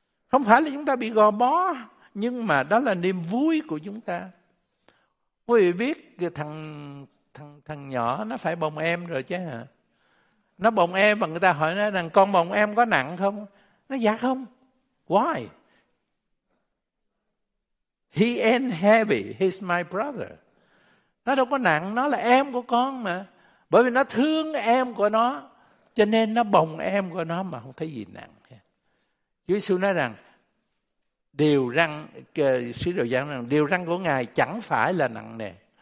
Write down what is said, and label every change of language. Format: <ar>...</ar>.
<vi>Không phải là chúng ta bị gò bó, nhưng mà đó là niềm vui của chúng ta. Quý vị biết thằng nhỏ nó phải bồng em rồi chứ hả? Nó bồng em mà người ta hỏi nó rằng con bồng em có nặng không? Nó dạ không.</vi> <en>Why? He ain't heavy, he's my brother.</en> <vi>Nó đâu có nặng, nó là em của con mà. Bởi vì nó thương em của nó, cho nên nó bồng em của nó mà không thấy gì nặng. Chúa Giêsu nói rằng, điều răn của Ngài chẳng phải là nặng nề.</vi>